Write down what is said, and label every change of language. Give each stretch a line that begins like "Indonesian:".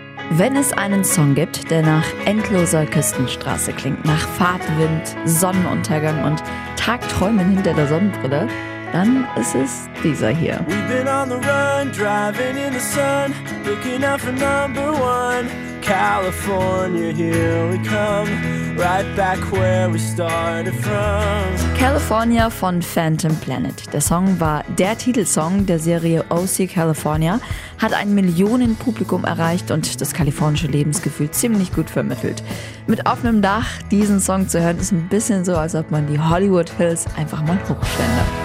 German: Wenn es einen Song gibt, der nach endloser Küstenstraße klingt, nach Fahrtwind, Sonnenuntergang und Tagträumen hinter der Sonnenbrille, dann ist es dieser hier.
English: We've been on the run, driving in the sun, looking out for number one. California, here we come, right back where we started from.
German: California von Phantom Planet. Der Song war der Titelsong der Serie OC California, hat ein Millionenpublikum erreicht und das kalifornische Lebensgefühl ziemlich gut vermittelt. Mit offenem Dach diesen Song zu hören, ist ein bisschen so, als ob man die Hollywood Hills einfach mal hochschwände.